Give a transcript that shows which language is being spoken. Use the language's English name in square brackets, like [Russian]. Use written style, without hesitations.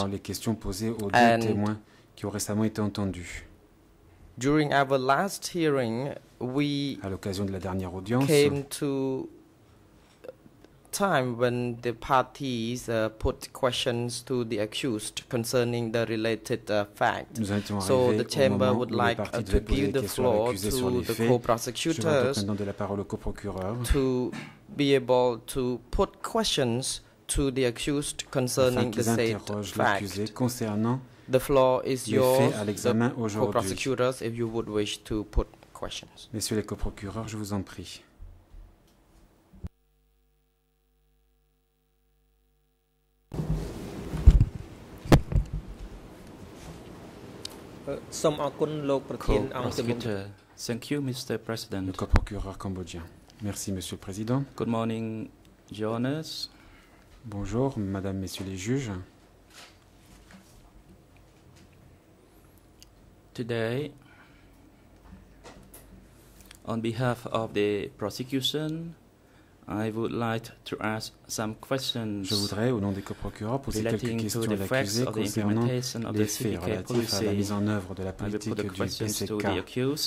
[French] Dans les questions posées aux deux témoins qui ont récemment été entendus. [English] During our last hearing, we [French] à l'occasion de la dernière audience, [English] came to time when the parties put questions to the accused concerning the related facts. [French] Nous étions arrivés [English] so the chamber would like to give the floor to the co-prosecutors to be able to put questions to the accused concerning the said fact. The floor is yours, [French] à l'examen [English] the [French] aujourd'hui. [English] Co-prosecutors, if you would wish to put questions. [French] Messieurs les co-procureurs, je vous en prie. [English] Co-prosecutor, thank you, Mr. President. [French] Le co-procureur cambodgien. Merci, Monsieur le Président. [English] Good morning, Your Honors. [French] Bonjour, Madame, Messieurs les juges. [English] Today, on behalf of the prosecution, I would like to ask some questions. [French] Je voudrais, au nom des coprocureurs, poser quelques questions à l'accusé concernant les faits relatifs à la mise en œuvre de la politique du PCK.